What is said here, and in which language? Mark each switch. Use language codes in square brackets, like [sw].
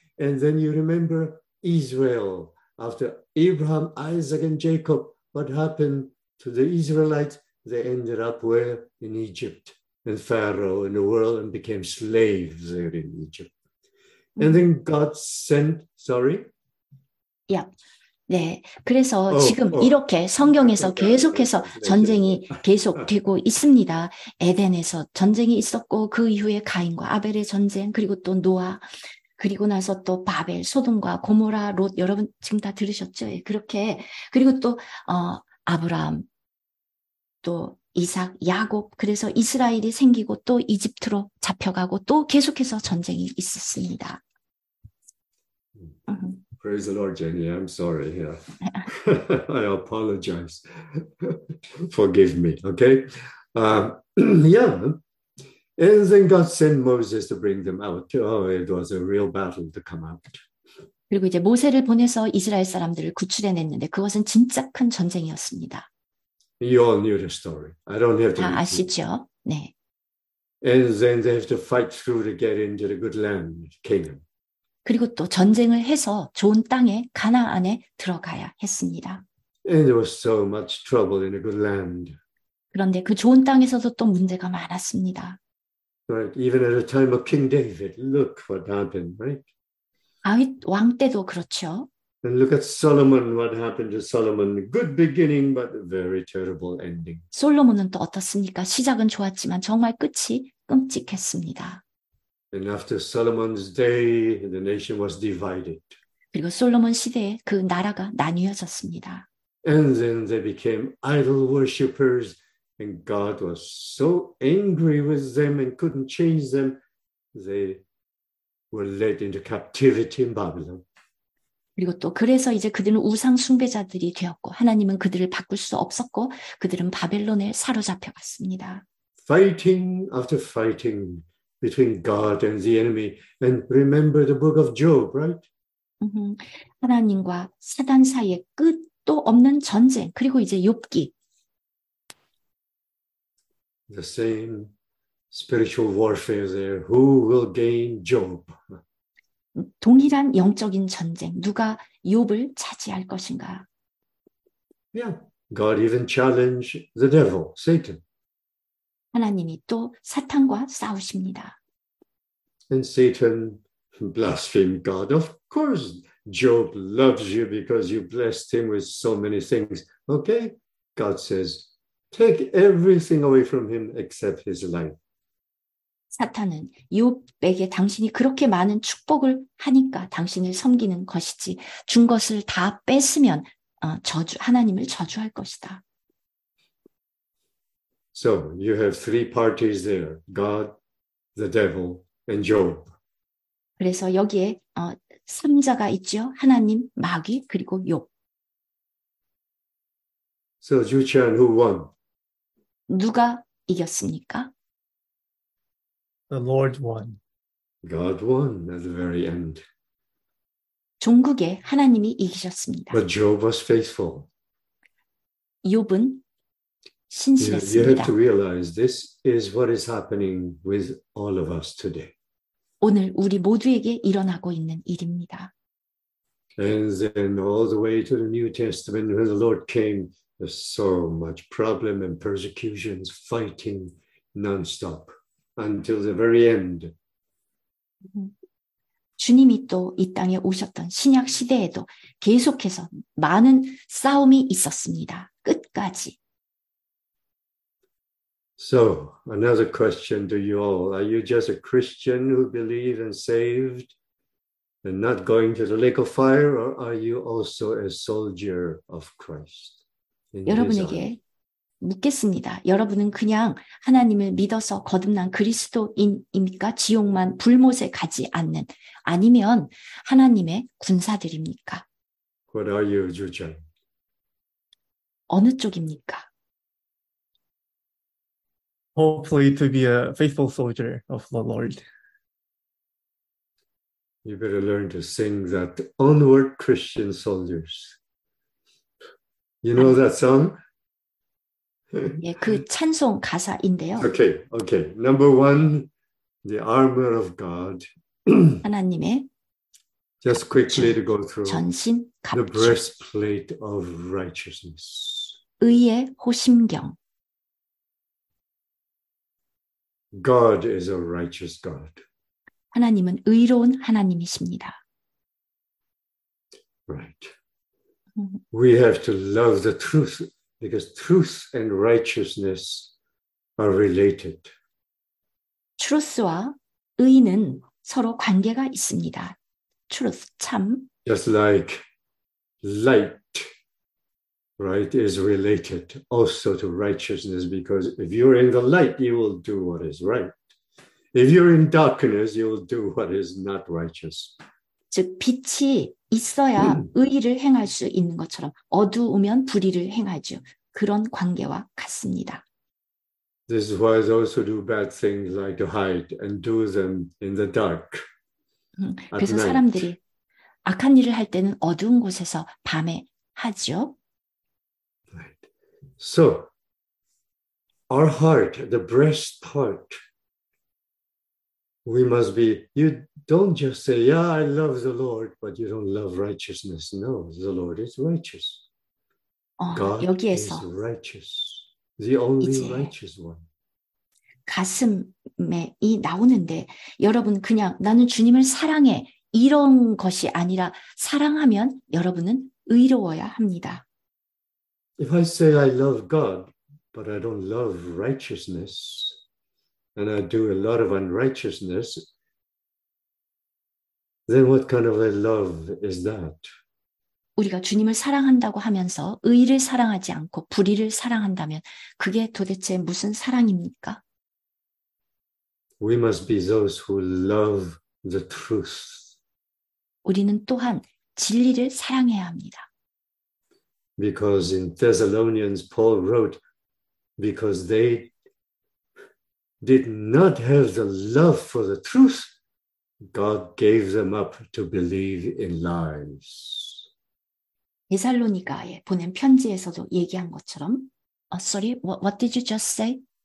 [en] And then you remember Israel. After Abraham, Isaac, and Jacob, what happened to the Israelites? They ended up where? In Egypt. And Pharaoh and the world and became slaves there in Egypt. And then God sent, sorry? Yeah. [ko] 네, 그래서 지금 이렇게 성경에서 계속해서 전쟁이 계속되고 있습니다. 에덴에서 전쟁이 있었고 그 이후에 가인과 아벨의 전쟁, 그리고 또 노아, 그리고 나서 또 바벨, 소돔과 고모라, 롯, 여러분 지금 다 들으셨죠? 그렇게, 그리고 또 아브라함, 또 이삭, 야곱, 그래서 이스라엘이 생기고 또 이집트로 잡혀가고 또 계속해서 전쟁이 있었습니다. [en] Praise the Lord, Jenny. I'm sorry. Yeah. I apologize. Forgive me, okay? Yeah. And then God sent Moses to bring them out. Oh, it was a real battle to come out. [ko] 그리고 이제 모세를 보내서 이스라엘 사람들을 구출해냈는데 그것은 진짜 큰 전쟁이었습니다. [en] You all knew the story. I don't have to. [ko] 다 아시죠? 네. [en] And then they have to fight through to get into the good land, Canaan. [ko] 그리고 또 전쟁을 해서 좋은 땅에 가나안에 들어가야 했습니다. [en] And there was so much trouble in a good land. [ko] 그런데 그 좋은 땅에서도 또 문제가 많았습니다. [en] Right, even at the time of King David, look what happened, right? [ko] 아윗 왕 때도 그렇죠. [en] And look at Solomon, what happened to Solomon. Good beginning, but a very terrible ending. [ko] 솔로몬은 또 어떻습니까? 시작은 좋았지만 정말 끝이 끔찍했습니다. [en] And after Solomon's day, the nation was divided. [ko] 그리고 솔로몬 시대에 그 나라가 나뉘어졌습니다. [en] And then they became idol worshippers, and God was so angry with them and couldn't change them. They were led into captivity in Babylon. [ko] 그리고 또 그래서 이제 그들은 우상 숭배자들이 되었고 하나님은 그들을 바꿀 수 없었고 그들은 바벨론에 사로잡혀 갔습니다. [en] Fighting after fighting between God and the enemy. And remember the book of Job, right? [ko] 하나님과 사단 사이에 끝도 없는 전쟁. 그리고 이제 욥기. [en] The same spiritual warfare there. Who will gain Job? [ko] 동일한 영적인 전쟁. 누가 욥을 차지할 것인가? [en] Yeah, God even challenged the devil, Satan. [ko] 하나님이 또 사탄과 싸우십니다. [en] And Satan blasphemed God. Of course, Job loves you because you blessed him with so many things. Okay? God says, take everything away from him except his life. [ko] 사탄은 욥에게 당신이 그렇게 많은 축복을 하니까 당신을 섬기는 것이지 준 것을 다 뺏으면 저주 하나님을 저주할 것이다. [en] So you have three parties there. God, the devil, and Job. [ko] 그래서 여기에 3자가 있죠. 하나님, 마귀, 그리고 욥. [en] So Ju-chan, who won? [ko] 누가 이겼습니까? [en] The Lord won. God won at the very end. [ko] 종국에 하나님이 이기셨습니다. [en] But Job was faithful. [ko] 욥은 신실했습니다. [en] You have to realize this is what is happening with all of us today. [ko] 오늘 우리 모두에게 일어나고 있는 일입니다. [en] And then all the way to the New Testament when the Lord came, there's so much problem and persecutions, fighting non-stop. Until the very end. [ko] 주님이 또 이 땅에 오셨던 신약 시대에도 계속해서 많은 싸움이 있었습니다. 끝까지. [en] So, another question to you all. Are you just a Christian who believes and saved and not going to the lake of fire? Or are you also a soldier of Christ? [ko] 여러분에게 묻겠습니다. 여러분은 그냥 하나님을 믿어서 거듭난 그리스도인입니까? 지옥만 불못에 가지 않는 아니면 하나님의 군사들입니까? [en] What are you, Ju-chan? [ko] 어느 쪽입니까? [en] Hopefully to be a faithful soldier of the Lord. You better learn to sing that Onward Christian Soldiers. You know that song? [ko] 예, 그 찬송 가사인데요. [en] Okay, okay. Number one, the armor of God. [ko] 하나님의 [en] Just quickly to go through. [ko] 전신 갑주. [en] The breastplate of righteousness. [ko] 의의 호심경. [en] God is a righteous God. [ko] 하나님은 의로운 하나님이십니다. [en] Right. We have to love the truth. Because truth and righteousness are related. [ko] Truth와 의는 서로 관계가 있습니다. Truth, 참. [en] Just like light, right, is related also to righteousness. Because if you're in the light, you will do what is right. If you're in darkness, you will do what is not righteous. [ko] 즉, 빛이 있어야 의를 행할 수 있는 것처럼 어두우면 불의를 행하죠. 그런 관계와 같습니다. [en] This is why those who do bad things like to hide and do them in the dark. [ko] 그래서 사람들이 악한 일을 할 때는 어두운 곳에서 밤에 하죠. [en] Right. So, our heart, the breast part, we must be, you don't just say, yeah, I love the Lord, but you don't love righteousness. No, the Lord is righteous. [ko] God 여기에서 [en] is righteous, the only righteous one. [ko] 가슴에 이 나오는데 여러분 그냥 나는 주님을 사랑해 이런 것이 아니라 사랑하면 여러분은 의로워야 합니다. [en] If I say I love God, but I don't love righteousness, and I do a lot of unrighteousness, then what kind of a love is that? [ko] 우리가 주님을 사랑한다고 하면서 의를 사랑하지 않고 불의를 사랑한다면 그게 도대체 무슨 사랑입니까? [en] We must be those who love the truth. [ko] 우리는 또한 진리를 사랑해야 합니다. [en] Because in Thessalonians, Paul wrote, because they did not have the love for the truth, God gave them up to believe in lies. [ko] 데살로니가에 보낸 편지에서도 얘기한 것처럼 [en] sorry, what did you just say?